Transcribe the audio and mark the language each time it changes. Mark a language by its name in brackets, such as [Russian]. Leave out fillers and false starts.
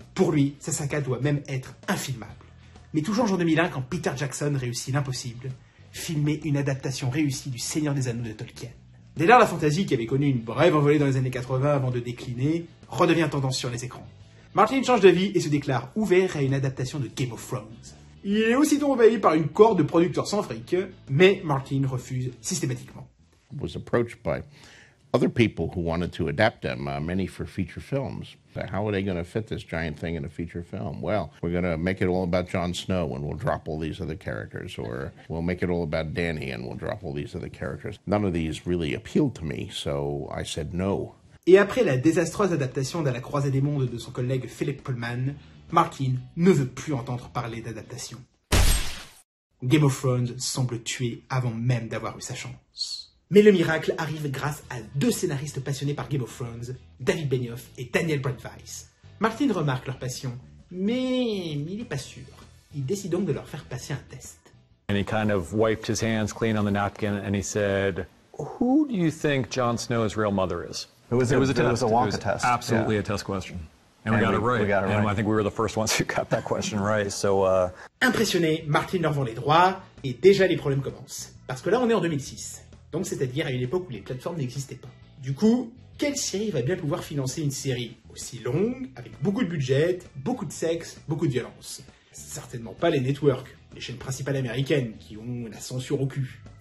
[French] Pour lui, sa saga doit même être infilmable. Mais toujours en 2001, quand Peter Jackson réussit l'impossible, filmer une adaptation réussie du Seigneur des Anneaux de Tolkien. Dès lors, la fantasy, qui avait connu une brève envolée dans les années 80 avant de décliner, redevient tendance sur les écrans. Martin change d'avis et se déclare ouvert à une adaptation de Game of Thrones. Il est aussitôt envahi par une cohorte de producteurs sans fric, mais Martin refuse systématiquement. [English] I was approached by other people who wanted to adapt them, many for feature films. How are they going to fit this giant thing in a feature film? Well, we're going to make it all about Jon Snow and we'll drop all these other characters, or we'll make it all about Dany and we'll drop all these other characters. None of these really appealed to me, so I said no. [French] Et après la désastreuse adaptation de La Croisée des Mondes de son collègue Philip Pullman, Martin ne veut plus entendre parler d'adaptation. Game of Thrones semble tué avant même d'avoir eu sa chance. Mais le miracle arrive grâce à deux scénaristes passionnés par Game of Thrones, David Benioff et Daniel Brent Weiss. Martin remarque leur passion, mais il n'est pas sûr. Il décide donc de leur faire passer un test. [English] And he kind of wiped his hands clean on the napkin and he said, "Who do you think Jon Snow's real mother is?" It was a Wonka test. Absolutely, yeah. A test question. And we got it right. And I think we were the first ones who got that question right. So, [French] Impressionné, Martin leur vend les droits et déjà les problèmes commencent. Parce que là, on est en 2006. Donc c'est-à-dire à une époque où les plateformes n'existaient pas. Du coup, quelle série va bien pouvoir financer une série aussi longue, avec beaucoup de budget, beaucoup de sexe, beaucoup de violence? Certainement pas les networks, les chaînes principales américaines qui ont la censure au cul.